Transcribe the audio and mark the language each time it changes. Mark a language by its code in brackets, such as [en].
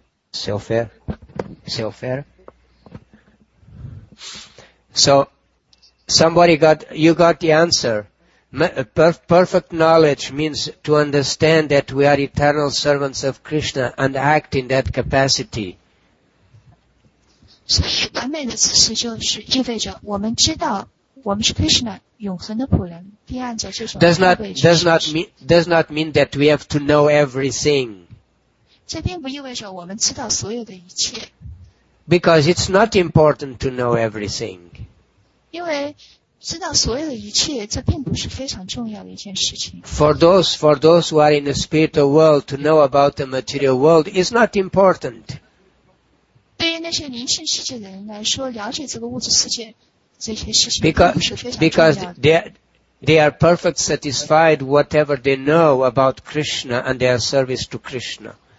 [en] So fair? So, you got the answer. Perfect knowledge means to understand that we are eternal servants of Krishna and act in that capacity. [zh] 所以完美的此时就是意味着我们知道我们是 Krishna 永恒的仆人，第二者是什么 [en] does not mean that we have to know everything. [zh] 这并不意味着我们知道所有的一切。 [en] Because it's not important to know everything. [zh] 因为知道所有的一切，这并不是非常重要的一件事情。 [en] For those who are in the spiritual world, to know about the material world is not important. [zh] 对于那些灵性世界的人来说，了解这个物质世界。 [en] Because they are perfect satisfied whatever they know about Krishna and their service to Krishna.